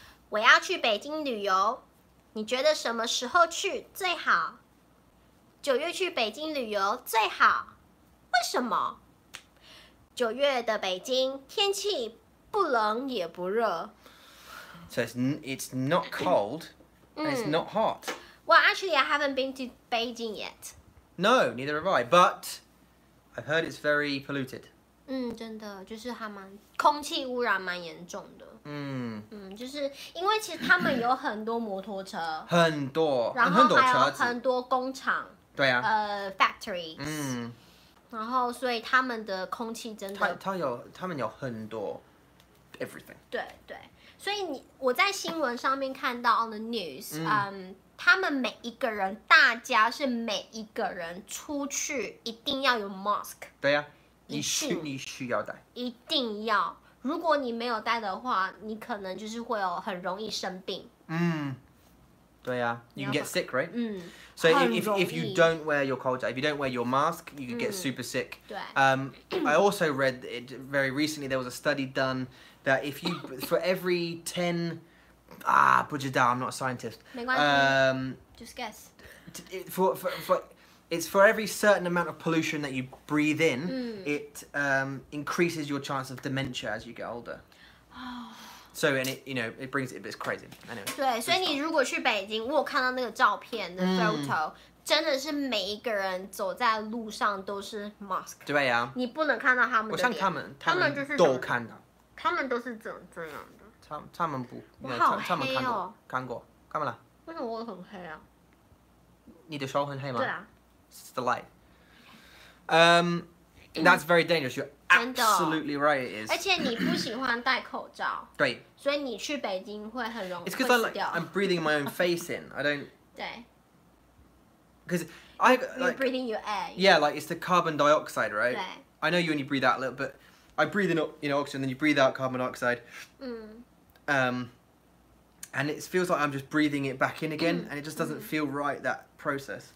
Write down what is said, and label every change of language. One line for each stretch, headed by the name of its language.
Chinese: 我要去北京旅游，你觉得什么时候去最好？九月去北京旅游最好，为什么？九月的北京天气不冷也不热。
English: So it's not cold, and it's not hot. Well, actually, I haven't been to Beijing yet. No, neither have I. But I've heard it's very polluted.
Chinese: 真的就是还蛮空气污染蛮严重的。就是因为其实他们有很多摩托车，很多，然后还有很多工厂，对啊，
English: factories。
Chinese: 然后，所以他们的空气真的，他们有很多 everything。对对，所以我在新闻上面看到
English: on the news，
Chinese: 他们每一个人，大家是每一个人出去一定要有 mask。对呀、啊，你需要戴，一定要。如果你没有戴的话，你可能就是会有很容易生病。
English: 对呀、啊、，you can get sick, right？嗯。 So if you don't wear your cold jacket, if you don't wear your mask, you can get super sick.
Chinese: 对。
English: I also read it very recently. There was a study done that if you, for every 10, Bujada, I'm not a scientist.
Chinese: 没关系。
English: Just guess. For It's for every certain amount of pollution that you breathe in, it increases your chance of dementia as you get older. So, and it, you know, it brings it, but it's crazy. Anyway.
Chinese: 对，所以你如果去北京， 我有看到那个照片的 photo， 真的是每一个人走在路上都是 mask。对啊。你不能看到他们的脸。我像他们，他们就是。他们都是怎样的？他们不，没有，他们看过，看过，干嘛啦？为什么我很黑啊？你的手很黑吗？对啊。
English: It's the light. That's very dangerous. You're absolutely right. It is.
Chinese: 而且你不喜欢戴口罩。对。所以你去北京会很容易。
English: It's because I'm breathing my own face in. I don't.
Chinese: 对。Because
English: I like breathing your air. Yeah, like it's the carbon dioxide, right?
Chinese: 对。
English: I know you only breathe out a little bit. I breathe in, you know, oxygen, then you breathe out carbon dioxide. And it feels like I'm just breathing it back in again, and it just doesn't feel right, that process.